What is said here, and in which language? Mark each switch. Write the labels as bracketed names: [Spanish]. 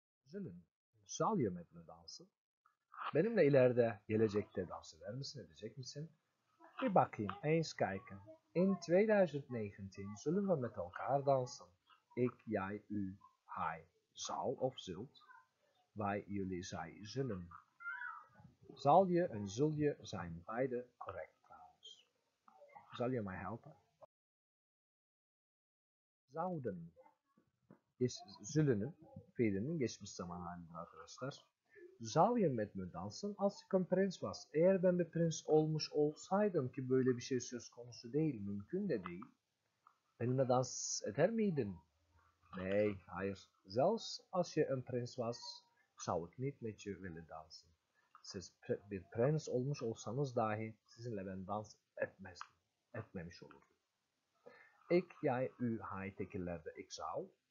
[Dutch] Zullen, zal je met me dansen? [Turkish] Benimle ileride, gelecekte dans eder misin, edecek misin? Bir bakayım, [Dutch] eens kijken. In 2019 zullen we met elkaar dansen. Ik, jij, u, hij, zal of zult. Wij, jullie, zij, zullen. Zal je en zul je zijn beide correct trouwens. Zal je mij helpen? Zouden. Zullen. [Turkish] Fiilinin geçmiş zaman halidir arkadaşlar. [Dutch] Zal je met me dansen als ik een prins was? [Turkish] Eğer ben bir prens olmuş olsaydım ki böyle bir şey söz konusu değil, mümkün de değil. Benimle dans eder miydin? Nee, hayır. [Dutch] Zelfs als je een prins was, zou ik niet met je willen dansen. [Turkish] Siz bir prens olmuş olsanız dahi sizinle ben dans etmemiş olurdum. [Dutch] Ik, jij, u, hij, [Turkish] tekillerde, [Dutch] ik zou.